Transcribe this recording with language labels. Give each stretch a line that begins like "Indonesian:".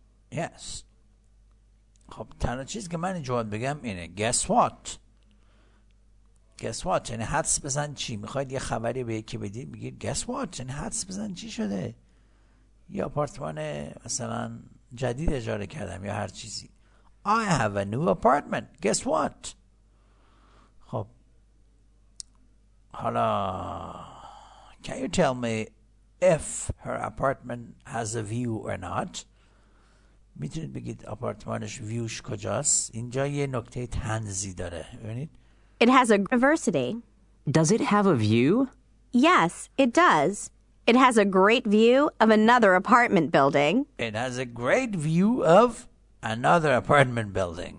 English: Yes.
Persian: خب تنها چیز که من جواب بگم اینه
English: Guess what? Guess what?
Persian: یعنی حدس بزن چی؟ میخواید یه خبری به یکی بدید بگید
English: Guess what?
Persian: یعنی حدس بزن چی شده؟ یه آپارتمان مثلا جدید اجاره کردم یا هر چیزی
English: I have a new apartment Guess what?
Persian: خب حالا
English: Can you tell me if her apartment has a view or not?
Persian: میتونید بگید آپارتمانش ویوش کجاست؟ اینجا یه نکته طنزی داره. ببینید.
English: It has a university. Does it have a view? Yes, it does. It has a great view of another apartment building. It has a great view of another apartment building.